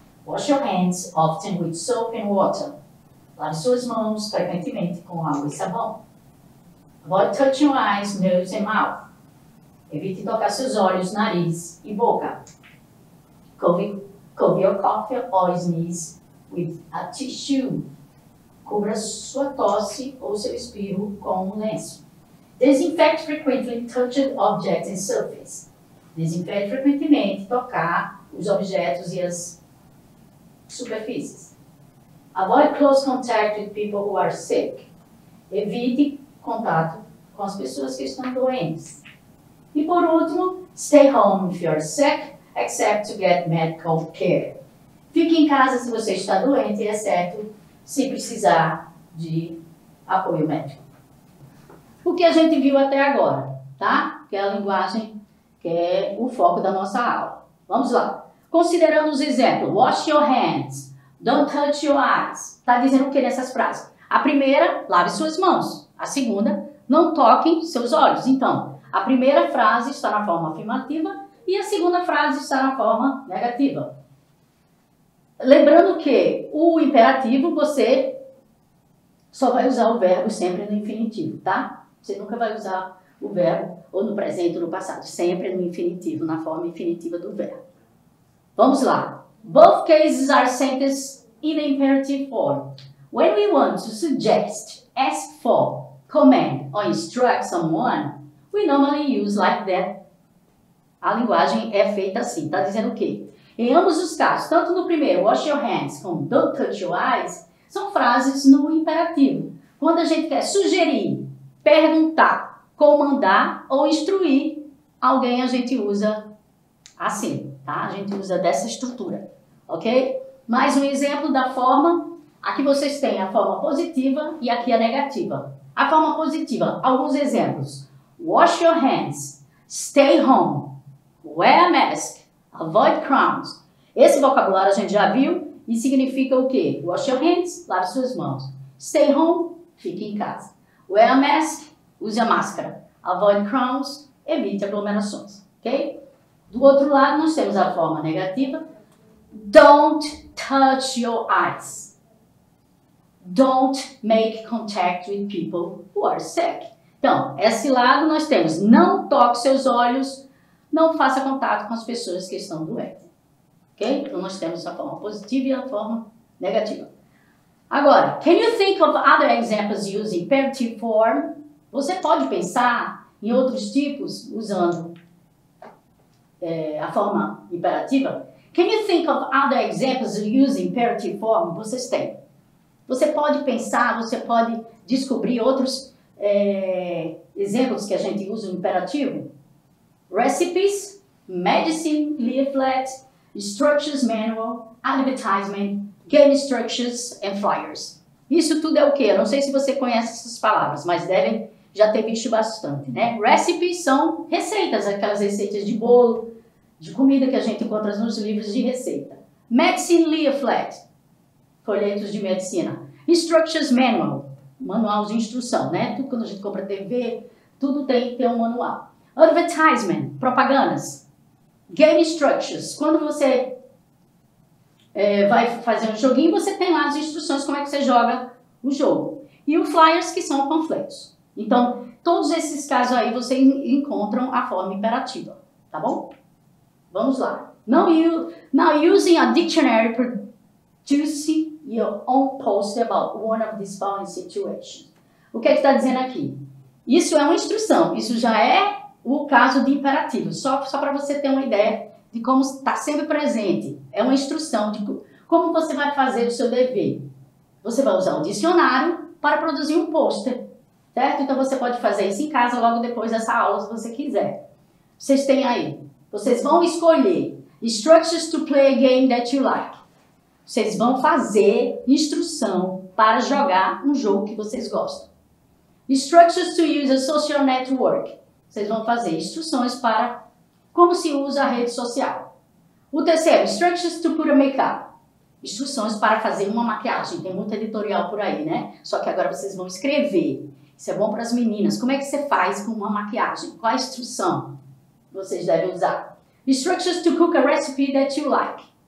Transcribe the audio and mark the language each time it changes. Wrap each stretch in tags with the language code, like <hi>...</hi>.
<en>Wash your hands often with soap and water.</en> <pt>Lave suas mãos frequentemente com água e sabão.</pt> <en>Avoid touching your eyes, nose and mouth.</en> <pt>Evite tocar seus olhos, nariz e boca.</pt> <en>Cover your cough or sneeze with a tissue.</en> <pt>Cubra sua tosse ou seu espirro com um lenço.</pt> <en>Disinfect frequently touched objects and surfaces.</en> <pt>Desinfecte frequentemente tocar os objetos e as superfícies.</pt> <en>Avoid close contact with people who are sick.</en> <pt>Evite contato com as pessoas que estão doentes. E por último,</pt> <en>stay home if you are sick, except to get medical care.</en> <pt>Fique em casa se você está doente, exceto se precisar de apoio médico. O que a gente viu até agora, tá? Que é a linguagem, que é o foco da nossa aula. Vamos lá. Considerando os exemplos.</pt> <en>Wash your hands. Don't touch your eyes.</en> <pt>Tá dizendo o que nessas frases? A primeira, lave suas mãos. A segunda, não toque seus olhos. Então, a primeira frase está na forma afirmativa e a segunda frase está na forma negativa. Lembrando que o imperativo, você só vai usar o verbo sempre no infinitivo, tá? Você nunca vai usar o verbo ou no presente ou no passado. Sempre no infinitivo, na forma infinitiva do verbo. Vamos lá.</pt> <en>Both cases are sentences in the imperative form. When we want to suggest, ask for, command or instruct someone, we normally use like that.</en> <pt>A linguagem é feita assim. Está dizendo o quê? Em ambos os casos, tanto no primeiro,</pt> <en>wash your hands,</en> <pt>como</pt> <en>don't touch your eyes,</en> <pt>são frases no imperativo. Quando a gente quer sugerir, perguntar, comandar ou instruir alguém, a gente usa assim, tá? A gente usa dessa estrutura, ok? Mais um exemplo da forma, Aqui vocês têm a forma positiva e aqui a negativa. A forma positiva, alguns exemplos.</pt> <en>Wash your hands, stay home, wear a mask, avoid crowds.</en> <pt>Esse vocabulário a gente já viu e significa o quê?</pt> <en>Wash your hands,</en> <pt>lave suas mãos.</pt> <en>Stay home,</en> <pt>fique em casa.</pt> <en>Wear a mask,</en> <pt>use a máscara.</pt> <en>Avoid crowds,</en> <pt>evite aglomerações, ok? Do outro lado, nós temos a forma negativa.</pt> <en>Don't touch your eyes. Don't make contact with people who are sick.</en> <pt>Então, esse lado nós temos. Não toque seus olhos. Não faça contato com as pessoas que estão doentes. Ok? Então, nós temos a forma positiva e a forma negativa.</pt> <en>Agora, can you think of other examples using imperative form?</en> <pt>Você pode pensar em outros tipos usando a forma imperativa?</pt> <en>Can you think of other examples using imperative form?</en> <pt>Vocês têm. Você pode pensar, você pode descobrir outros exemplos que a gente usa no imperativo.</pt> <en>Recipes, medicine, leaflet, instructions manual, advertisement, game instructions and flyers.</en> <pt>Isso tudo é o quê? Eu não sei se você conhece essas palavras, mas devem já ter visto bastante, né? Recipes são receitas, aquelas receitas de bolo, de comida que a gente encontra nos livros de receita. Medicine leaflet, folhetos de medicina. Instructions manual, manual de instrução, né? Tudo quando a gente compra TV, tudo tem que ter um manual. Advertisement, propagandas. Game instructions, quando você vai fazer um joguinho, você tem lá as instruções como é que você joga o jogo. E o flyers, que são panfletos. Então, todos esses casos aí, vocês encontram a forma imperativa, tá bom? Vamos lá.</pt> <en>Now, using a dictionary producing your own post about one of these following situations.</en> <pt>O que é que está dizendo aqui? Isso é uma instrução. Isso já é o caso de imperativo. Só para você ter uma ideia de como está sempre presente. É uma instrução de como você vai fazer o seu dever. Você vai usar um dicionário para produzir um pôster, certo? Então, você pode fazer isso em casa logo depois dessa aula, se você quiser. Vocês têm aí. Vocês vão escolher</pt> <en>instructions to play a game that you like.</en> <pt>Vocês vão fazer instrução para jogar um jogo que vocês gostam.</pt> <en>Instructions to use a social network.</en> <pt>Vocês vão fazer instruções para como se usa a rede social. O terceiro,</pt> <en>instructions to put a makeup.</en> <pt>Instruções para fazer uma maquiagem. Tem muito editorial por aí, né? Só que agora vocês vão escrever. Isso é bom para as meninas. Como é que você faz com uma maquiagem? Qual a instrução vocês devem usar?</pt> <en>Instructions to cook a recipe that you like.</en>